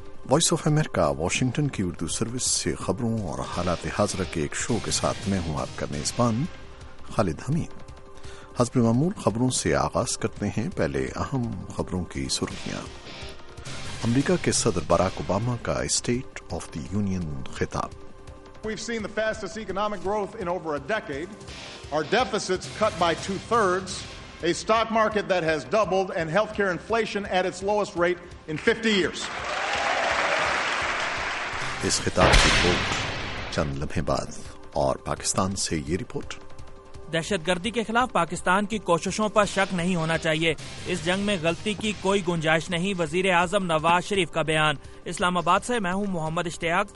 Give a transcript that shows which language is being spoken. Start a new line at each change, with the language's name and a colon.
Urdu: Voice of America Washington کی Urdu service سے خبروں اور حالات حاضرہ کے ایک شو کے ساتھ میں ہوں آپ کا میزبان خالد حمید. حسب معمول خبروں سے آغاز کرتے ہیں. پہلے اہم خبروں کی سرخیاں. امریکہ کے صدر باراک اوباما کا اسٹیٹ آف دی یونین خطاب.
English: We've seen the fastest economic growth in over a decade. Our deficits cut by 2/3, a stock market that has doubled, and healthcare inflation at its lowest rate in 50 years.
Urdu: اس خطاب کے بعد چند لمحے بعد اور پاکستان سے یہ رپورٹ. دہشت گردی کے خلاف پاکستان کی کوششوں پر شک نہیں ہونا چاہیے. اس جنگ میں غلطی کی کوئی گنجائش نہیں. وزیر اعظم نواز شریف کا بیان. اسلام آباد سے میں ہوں محمد اشتیاق.